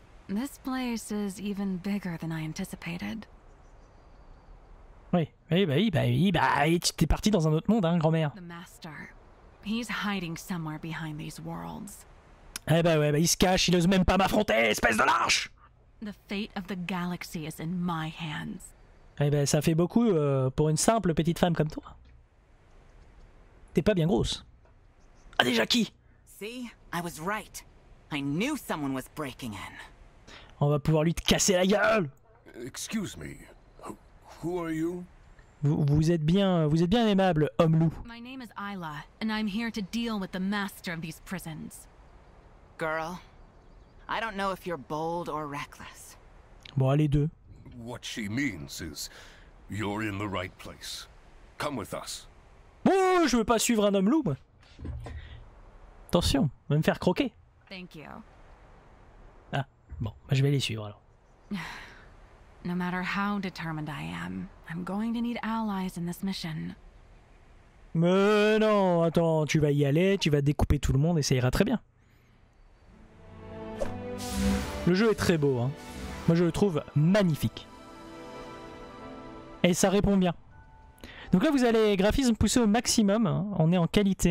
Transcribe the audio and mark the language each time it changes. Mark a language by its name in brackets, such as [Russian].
[French] Oui, tu es parti dans un autre monde, hein, grand-mère. [English] He's hiding somewhere behind these worlds. [French] Eh ben ouais, bah il se cache, il ose même pas m'affronter, espèce de lâche. [English] The fate of the galaxy is in my hands. [French] Eh ben ça fait beaucoup pour une simple petite femme comme toi. T'es pas bien grosse. Ah déjà qui? [English] See, I was right. I knew someone was breaking in. [French] On va pouvoir lui te casser la gueule. [English] Excuse me. Who are you? [French] Vous êtes bien aimable, homme loup. [English] My name is Ayla, and I'm here to deal with the master of these prisons. Girl, I don't know if you're bold or reckless. [French] Bon, les deux. [English] What she means is, you're in the right place. Come with us. [French] Oh, je veux pas suivre un homme loup. Attention, va me faire croquer. [English] Thank you. [French] Ah, bon, bah, je vais les suivre alors. [English] No matter how determined I am, I'm going to need allies in this mission. [French] Mais non, attends, tu vas y aller, tu vas découper tout le monde et ça ira très bien. Le jeu est très beau, hein. Moi je le trouve magnifique. Et ça répond bien. Donc là vous allez graphisme poussé au maximum, hein. On est en qualité.